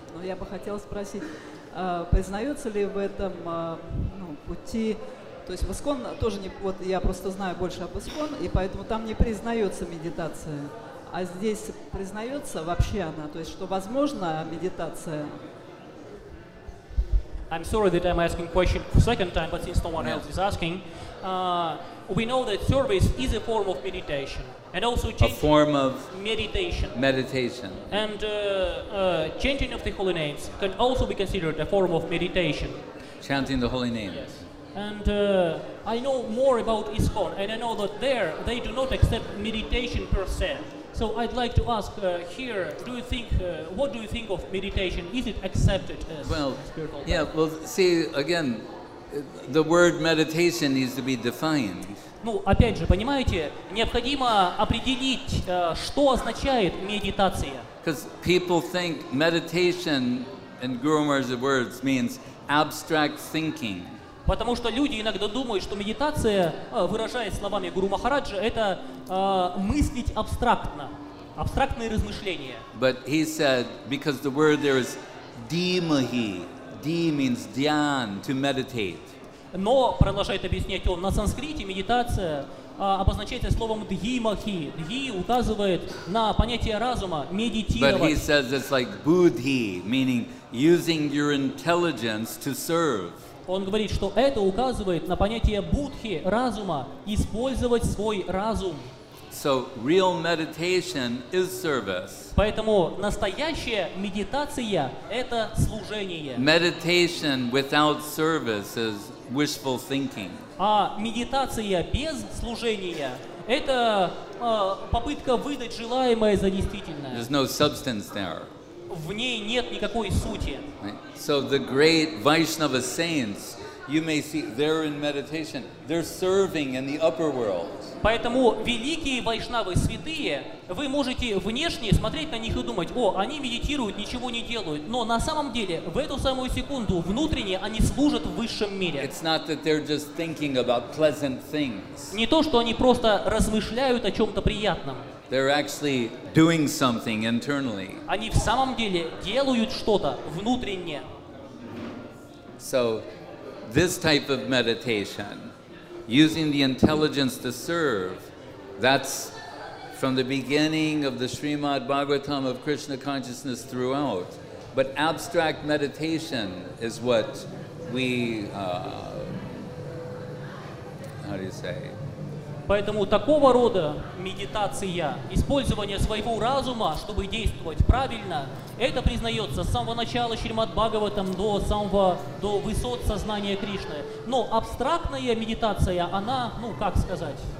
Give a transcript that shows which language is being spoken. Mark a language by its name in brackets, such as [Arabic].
[Russian] Но я бы хотела спросить, признается ли в этом пути, то есть в ИСКОН тоже не, вот я просто знаю больше об ИСКОН, и поэтому там не признается медитация, а здесь признается вообще она, то есть что возможно медитация. [English] I'm sorry that I'm asking question for second time, but since no one else is asking, we know that service is a form of meditation, and also changing a form of meditation. Meditation. And chanting of the holy names can also be considered a form of meditation. Chanting the holy names. Yes. And I know more about ISKCON, and I know that there they do not accept meditation per se. So I'd like to ask here, do you think, what do you think of meditation? Is it accepted as spiritual practice? Well, see, again, the word meditation needs to be defined. [Russian] Ну, опять же, понимаете, необходимо определить, что означает медитация. [English] Because people think meditation, in Guru Maharaj's words, means abstract thinking. [Russian] Потому что люди иногда думают, что медитация, выражаясь словами Гуру Махараджа, это мыслить абстрактно, абстрактные размышления. [English] But he said, because the word there is dhimahi, dhi means dhyan, to meditate. [Russian] Но, продолжает объяснять он, на санскрите медитация обозначается словом dhimahi. Dhi указывает на понятие разума, медитировать. [English] But he says it's like buddhi, meaning using your intelligence to serve. [Russian] Он говорит, что это указывает на понятие будхи, разума, использовать свой разум. [English] So, real meditation is service. [Russian] Поэтому настоящая медитация — это служение. [English] Meditation without service is wishful thinking. [Russian] А медитация без служения — это попытка выдать желаемое за действительное. [English] There's no substance there. [Russian] В ней нет никакой сути. [English] So the great Vaishnava saints, you may see, they're in meditation. They're serving in the upper world. [Russian] Поэтому великие вайшнавы, святые, вы можете внешне смотреть на них и думать, о, они медитируют, ничего не делают. Но на самом деле, в эту самую секунду, внутренне, они служат в высшем мире. [English] It's not that they're just thinking about pleasant things. [Russian] Не то, что они просто размышляют о чем-то приятном. [English] They're actually doing something internally. [Russian] Они в самом деле делают что-то внутренне. [English] So, this type of meditation, using the intelligence to serve, that's from the beginning of the Srimad Bhagavatam of Krishna consciousness throughout. But abstract meditation is what we, how do you say? [Russian] Поэтому такого рода медитация, использование своего разума, чтобы действовать правильно, это признается с самого начала Шримад Бхагаватам до самого до высот сознания Кришны. Но абстрактная медитация, она, ну как сказать?